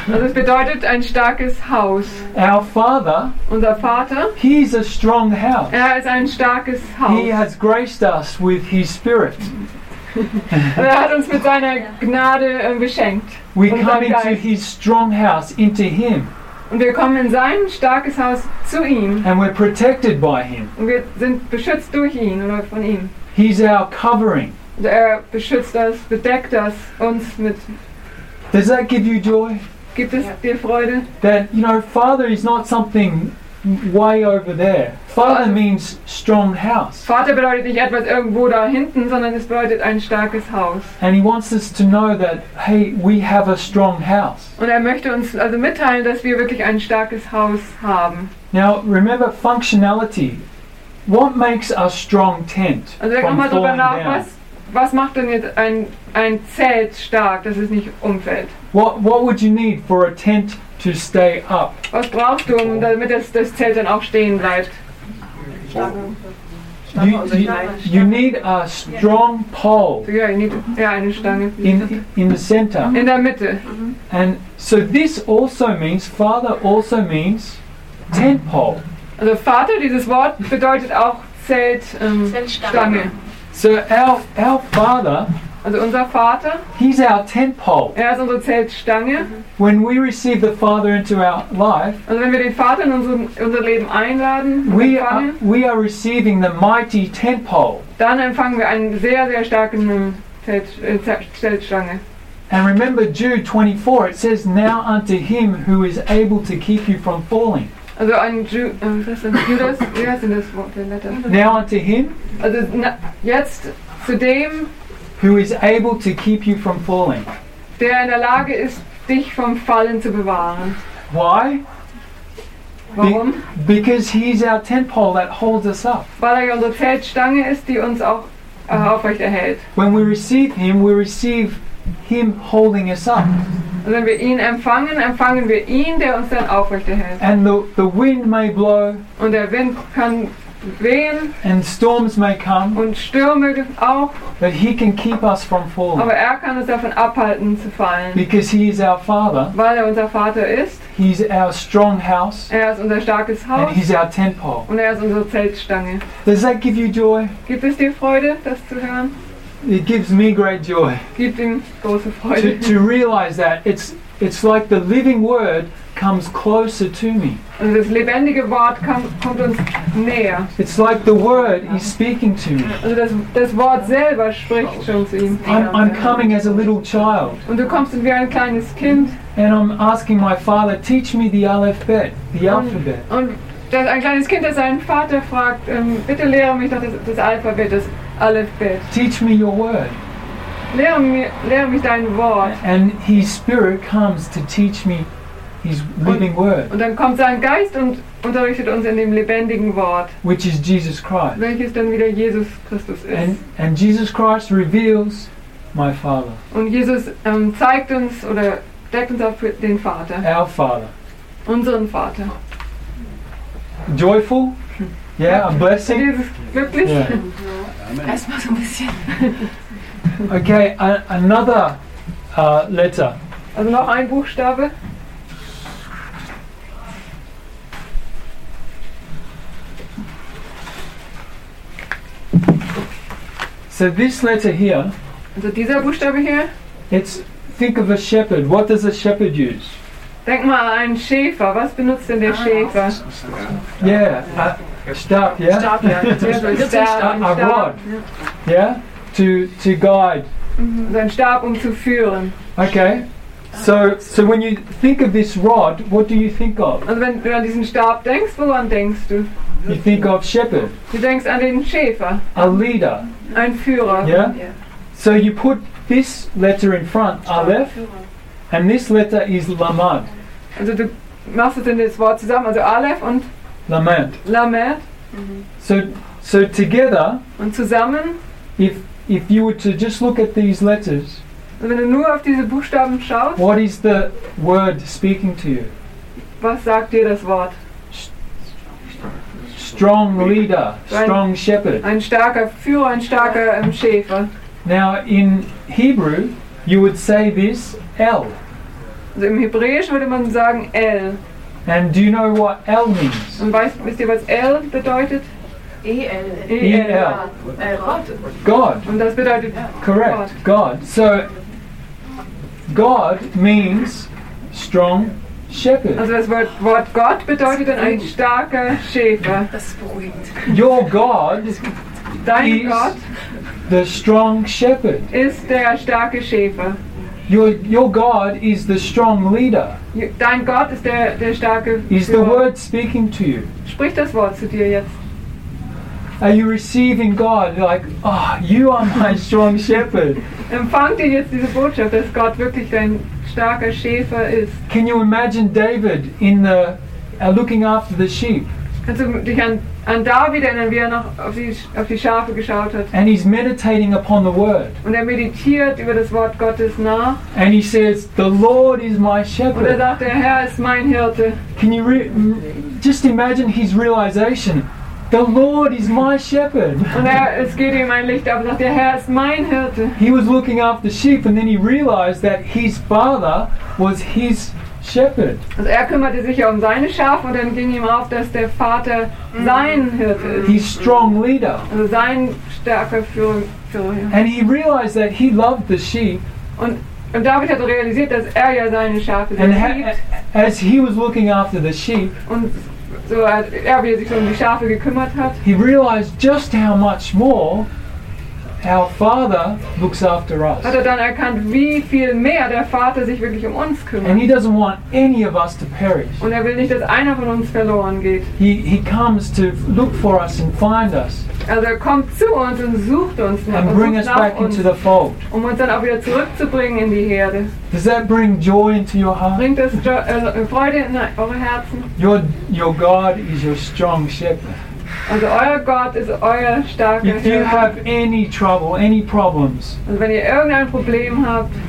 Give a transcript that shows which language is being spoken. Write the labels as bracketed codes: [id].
[de] Also es bedeutet ein starkes Haus. [en] Our father, [de] unser Vater, [en] he's a strong house. [de] Er ist ein starkes Haus. [en] He has graced us with his spirit. [de] Und er hat uns mit seiner Gnade beschenkt. [en] We come into his strong house, into him. [de] Und wir kommen in sein starkes Haus zu ihm. [en] And we're protected by him. [de] Und wir sind beschützt durch ihn oder von ihm. [en] He's our covering. [de] Er beschützt [en] us, [de] bedeckt us, uns mit. [en] Does that give you joy? [de] Gibt es dir Freude? [en] That, you know, father is not something way over there. Father means strong house. [de] Vater bedeutet nicht etwas irgendwo da hinten, sondern es bedeutet ein starkes Haus. [en] And he wants us to know that, hey, we have a strong house. [de] Und er möchte uns also mitteilen, dass wir wirklich ein starkes Haus haben. [en] Now, remember functionality. What makes a strong tent? [de] Also denk mal drüber nach, was macht denn jetzt ein Zelt stark, dass es nicht umfällt? [en] What would you need for a tent to stay up? [de] Was brauchst du, damit das Zelt dann auch stehen bleibt? [en] You need a strong pole. So yeah, you need [de] eine Stange. [en] In the center. [de] In der Mitte. [en] And so this also means, father also means tent pole. [de] Also Vater, dieses Wort bedeutet auch Zelt, Stange. [en] So our father, [de] also unser Vater, [en] he's our tent pole. [de] Ist unsere Zeltstange. [en] When we receive the Father into our life, [de] also wenn wir den Vater in unser Leben einladen, [en] we are receiving the mighty tent pole. [de] Dann empfangen wir einen sehr sehr starken Zeltstange. [en] And remember Jude 24, it says, now unto him who is able to keep you from falling. [de] Also an Judas, wie heißt denn das Wort, der Letter? [en] Now unto him. [de] Also jetzt zu dem. [en] Who is able to keep you from falling. [de] Der in der Lage ist, dich vom Fallen zu bewahren. [en] Why? [de] Warum? [en] Because he's our tent pole that holds us up. [de] Weil er unsere Zeltstange ist, die uns auch aufrecht erhält. [en] When we receive him holding us up. [de] Und wenn wir ihn empfangen, empfangen wir ihn, der uns dann aufrecht erhält. [en] And the wind may blow. [de] Und der Wind kann wehen. [en] And storms may come. [de] Und Stürme auch. [en] But he can keep us from falling. [de] Aber kann uns davon abhalten zu fallen. [en] Because he is our father. [de] Weil unser Vater ist. [en] He's our strong house. [de] Ist unser starkes Haus. [en] And he's our tent pole. [de] Und ist unsere Zeltstange. [en] Does that give you joy? [de] Gibt es dir Freude, das zu hören? [en] It gives me great joy. [de] Gibt ihm große Freude. [en] To realize that it's like the living word comes closer to me. [de] Also das lebendige Wort kommt uns näher. [en] It's like the word is speaking to me. [de] Also das Wort selber spricht schon zu ihm. [en] I'm coming as a little child. [de] Und du kommst wie ein kleines Kind. [en] And I'm asking my father, teach me the alphabet, [de] Das ein kleines Kind, das seinen Vater fragt, bitte lehre mich doch das Alphabet, das Alephbet. [en] Teach me your word. [de] Lehre mich dein Wort. [en] And his spirit comes to teach me his living word. [de] Und dann kommt sein Geist und unterrichtet uns in dem lebendigen Wort. [en] Which is Jesus Christ. [de] Welches dann wieder Jesus Christus ist. [en] And Jesus Christ reveals my Father. [de] Und Jesus zeigt uns oder deckt uns auf den Vater. [en] Our Father. [de] Unseren Vater. [en] Joyful? Yeah, a blessing? [de] Wirklich? Erstmal so ein bisschen. [en] Okay, another letter. [de] Also noch ein Buchstabe. [en] So this letter here. [de] Also dieser Buchstabe hier. [en] It's, think of a shepherd. What does a shepherd use? [de] Denk mal an einen Schäfer. Was benutzt denn der Schäfer? [en] Yeah, Stab, yeah? [de] Stab, ja. [en] A rod. Yeah? To guide. [de] So ein Stab, zu führen. [en] Okay. So when you think of this rod, what do you think of? [de] Also wenn du an diesen Stab denkst, woran denkst du? [en] You think of shepherd. [de] Du denkst an den Schäfer. [en] A leader. [de] Ein Führer. [en] Yeah? So you put this letter in front, Aleph. And this letter is Lamad. [de] Also du machst es in das Wort zusammen, also Aleph und Lamad. Lamad. [en] So together. [de] Und zusammen. [en] If you were to just look at these letters. [de] Wenn du nur auf diese Buchstaben schaust. [en] What is the word speaking to you? [de] Was sagt dir das Wort? [en] Strong leader, strong shepherd. [de] Ein starker Führer, ein starker Schäfer. [en] Now in Hebrew, you would say this. L. [de] Also im Hebräisch würde man sagen L. [en] And do you know what L means? [de] Und wisst ihr, was L bedeutet? [en] E-L. God. [de] Und das bedeutet [en] correct. God. So God means strong shepherd. [de] Also das Wort Gott bedeutet dann ein starker Schäfer. Das beruhigt. [en] Your God. [de] Dein Gott. [en] The strong shepherd. [de] Ist der starke Schäfer. [en] Your God is the strong leader. [de] Dein Gott ist der starke. [en] Is the word speaking to you? [de] Spricht das Wort zu dir jetzt? [en] Are you receiving God like, oh, you are my strong shepherd? [de] Empfangt ihr jetzt diese Botschaft, dass Gott wirklich dein starker Schäfer ist? [en] Can you imagine David in the looking after the sheep? [de] Kannst du dich an David erinnern, wie noch auf die Schafe geschaut hat? [en] And he's meditating upon the word. [de] Und meditiert über das Wort Gottes nach. [en] And he says, the Lord is my shepherd. [de] Und sagt, der Herr ist mein Hirte. [en] Can you just imagine his realization? The Lord is my shepherd. [de] Und es geht ihm ein Licht auf und sagt, der Herr ist mein Hirte. [en] He was looking after sheep and then he realized that his father was his shepherd. [de] Also er kümmerte sich um seine Schafe und dann ging ihm auf, dass der Vater sein Hirte ist. [en] His strong leader. [de] Also sein starker Führer. [en] And he realized that he loved the sheep. [de] Und David hat realisiert, dass ja seine Schafe sehr liebt. [en] As he was looking after the sheep. [de] Und so wie er sich um die Schafe gekümmert hat. [en] He realized just how much more our Father looks after us. [de] Hat dann erkannt, wie viel mehr der Vater sich wirklich um uns kümmert. [en] And he doesn't want any of us to perish. [de] Und will nicht, dass einer von uns verloren geht. [en] He comes to look for us and find us. [de] Also kommt zu uns und sucht uns [en] and bring us back into the fold. [de] Um uns dann auch wieder zurückzubringen in die Herde. [en] Does that bring joy into your heart? [de] Bringt das Freude in eure Herzen? [en] Your God is your strong shepherd. [de] Also euer Gott ist euer starker Hirte. [en] If you have any trouble, any problems, [de] also wenn ihr irgendein Problem habt,